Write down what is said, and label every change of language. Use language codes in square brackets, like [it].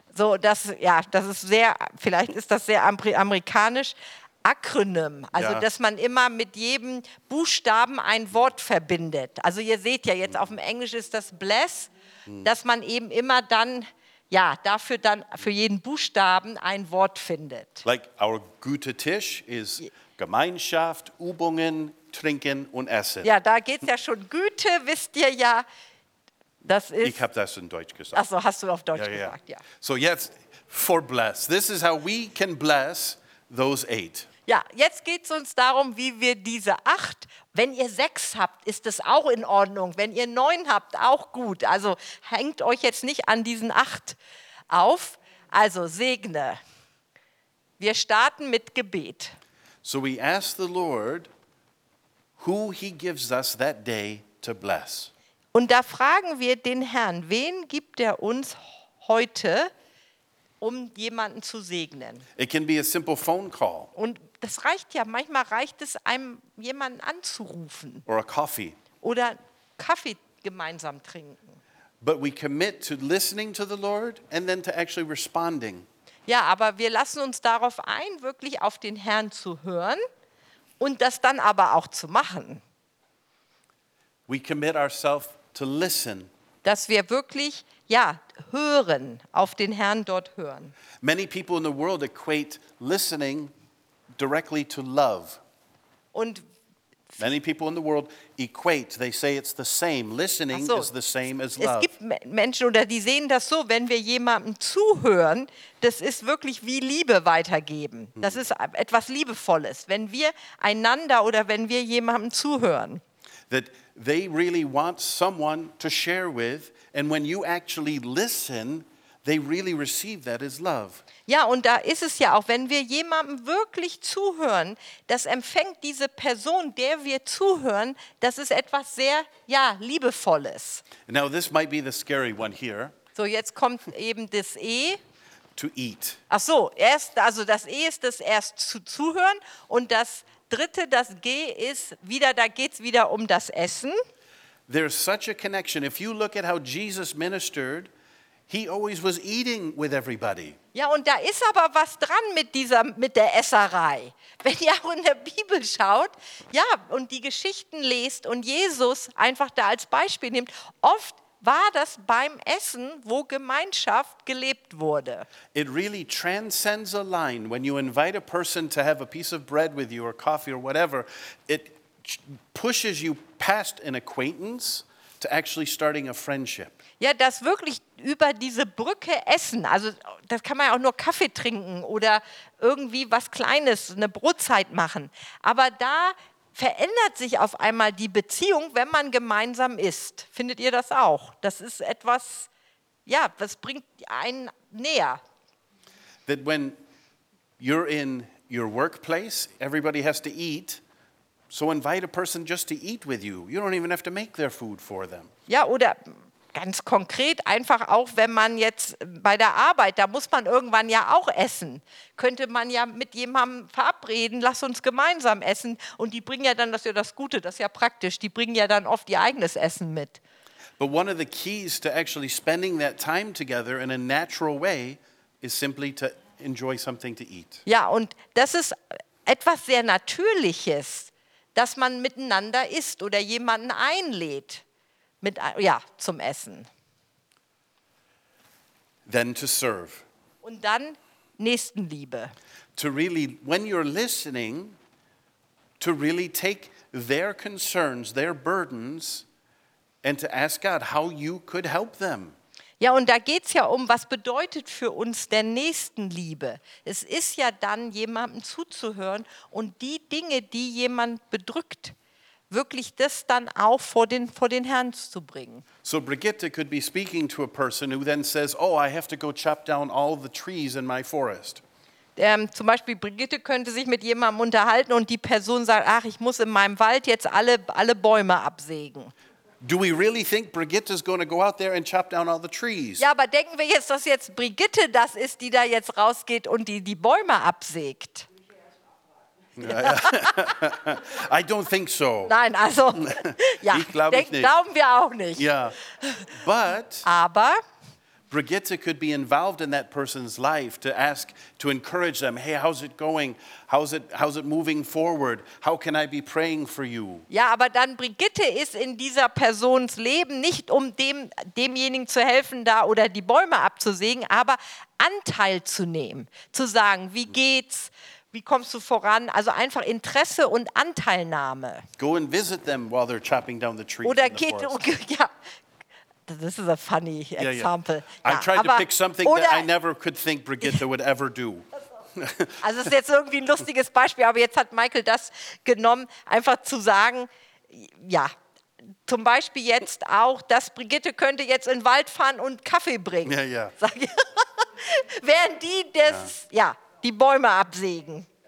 [de] So, das, ja, das ist sehr, vielleicht ist das sehr amerikanisch. Akronym, also ja. Dass man immer mit jedem Buchstaben ein Wort verbindet. Also ihr seht ja jetzt auf dem Englisch ist das bless, dass man eben immer dann, ja, dafür dann für jeden Buchstaben ein Wort findet. [en] Like our [de] gute Tisch ist Gemeinschaft, Übungen, Trinken und Essen. Ja, da geht's ja schon. Güte, wisst ihr ja, das ist... Ich habe das in Deutsch gesagt. Ach so, hast du auf Deutsch ja, gesagt, ja. So jetzt, [en] for bless. This is how we can bless... Those 8. [de] Ja, jetzt geht's uns darum, wie wir diese 8, wenn ihr 6 habt, ist es auch in Ordnung. Wenn ihr 9 habt, auch gut. Also hängt euch jetzt nicht an diesen 8 auf. Also segne. Wir starten mit Gebet. [en] So we ask the Lord, who he gives us that day to bless. [de] Und da fragen wir den Herrn, wen gibt er uns heute, um jemanden zu segnen. [en] It can be a simple phone call. [de] Und das reicht ja. Manchmal reicht es, einem jemanden anzurufen. [en] Or a coffee. [de] Oder Kaffee gemeinsam trinken. [en] But we commit to listening to the Lord and then to actually responding. [de] Ja, aber wir lassen uns darauf ein, wirklich auf den Herrn zu hören und das dann aber auch zu machen. [en] We commit ourselves to listen. [de] Dass wir wirklich, ja, hören, auf den Herrn dort hören. [en] Many people in the world equate listening directly to love. [de] Und [en] Many people in the world equate, they say it's the same. Listening so, is the same as love. [de] Es gibt Menschen, oder die sehen das so, wenn wir jemandem zuhören, das ist wirklich wie Liebe weitergeben. Das ist etwas Liebevolles, wenn wir einander oder wenn wir jemandem zuhören. [en] That they really want someone to share with, and when you actually listen, they really receive that as love. [de] Ja, und da ist es ja auch, wenn wir jemandem wirklich zuhören, das empfängt diese Person, der wir zuhören, das ist etwas sehr, ja, Liebevolles. [en] Now, this might be the scary one here. [de] So, jetzt kommt eben das E. [en] To eat. [de] Ach so, erst, also das E ist das erst zu zuhören und das dritte, das G ist wieder, da geht's wieder um das Essen. [en] There's such a connection. If you look at how Jesus ministered, he always was eating with everybody. [de] Ja, und da ist aber was dran mit der Esserei. Wenn ihr auch in der Bibel schaut, ja, und die Geschichten lest und Jesus einfach da als Beispiel nimmt, oft war das beim Essen, wo Gemeinschaft gelebt wurde. [en] It really transcends a line when you invite a person to have a piece of bread with you or coffee or whatever. It pushes you past an acquaintance to actually starting a friendship. [de] Ja, das wirklich über diese Brücke essen, also das kann man ja auch nur Kaffee trinken oder irgendwie was Kleines, eine Brotzeit machen. Aber da verändert sich auf einmal die Beziehung, wenn man gemeinsam isst. Findet ihr das auch? Das ist etwas, ja, das bringt einen näher. [en] That when you're in your workplace, everybody has to eat. So invite a person just to eat with you. You don't even have to make their food for them. [de] Ja, oder ganz konkret, einfach auch, wenn man jetzt bei der Arbeit, da muss man irgendwann ja auch essen. Könnte man ja mit jemandem verabreden, lass uns gemeinsam essen. Und die bringen ja dann, das ist ja das Gute, das ist ja praktisch, die bringen ja dann oft ihr eigenes Essen mit. [en] But one of the keys to actually spending that time together in a natural way is simply to enjoy something to eat. [de] Ja, und das ist etwas sehr Natürliches, dass man miteinander isst oder jemanden einlädt mit, ja, zum Essen. [en] Then to serve. [de] Und dann Nächstenliebe. [en] To really, when you're listening, to really take their concerns, their burdens, and to ask God how you could help them. [de] Ja, und da geht's ja um, was bedeutet für uns der Nächstenliebe? Es ist ja dann, jemandem zuzuhören und die Dinge, die jemand bedrückt, wirklich das dann auch vor den Herrn zu bringen. [en] So Brigitte could be speaking to a person who then says, oh, I have to go chop down all the trees in my forest. [de] Zum Beispiel Brigitte könnte sich mit jemandem unterhalten und die Person sagt, ach, ich muss in meinem Wald jetzt alle Bäume absägen. [en] Do we really think Brigitte is going to go out there and chop down all the trees? [de] Ja, aber denken wir jetzt, dass jetzt Brigitte das ist, die da jetzt rausgeht und die Bäume absägt? [en] I don't think so. [de] Nein, also, ja, glauben wir auch nicht. [en] Yeah. But [de] aber [en] Brigitte could be involved in that person's life to ask, to encourage them, hey, how's it going? How's it moving forward? How can I be praying for you? [de] Ja, aber dann Brigitte ist in dieser Person's Leben nicht, um demjenigen zu helfen da oder die Bäume abzusägen, aber Anteil zu nehmen, zu sagen, wie geht's? Wie kommst du voran? Also einfach Interesse und Anteilnahme. [en] Go and visit them while they're chopping down the trees. [de] Oder [en] in the [de] geht [en] forest. Ja. This is a funny example. Yeah, yeah. I tried to pick something that I never could think Brigitte would ever do. [de] Also es ist jetzt irgendwie ein lustiges Beispiel, aber jetzt hat Michael das genommen, einfach zu sagen, ja, zum Beispiel jetzt auch, dass Brigitte könnte jetzt in den Wald fahren und Kaffee bringen. Ja, ja. Während die das, ja, ja, die Bäume absägen.